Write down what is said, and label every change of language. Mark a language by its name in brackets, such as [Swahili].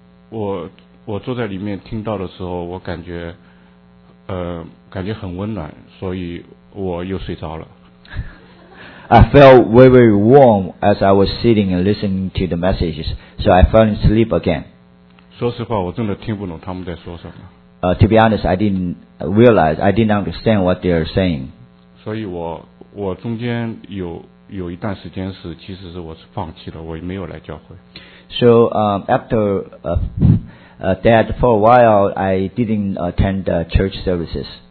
[Chinese] 我坐在里面听到的时候，我感觉很温暖，所以我又睡着了。 [English] I felt very, very warm as I was sitting and listening to the messages, so I fell asleep again. [Chinese] 说实话，我真的听不懂他们在说什么。 [English] To be honest, I didn't realize, I didn't understand what they are saying. [Chinese] 所以我中间有一段时间是，其实是我是放弃了，我也没有来教会。 [English] So after that for a while, I didn't attend the church services.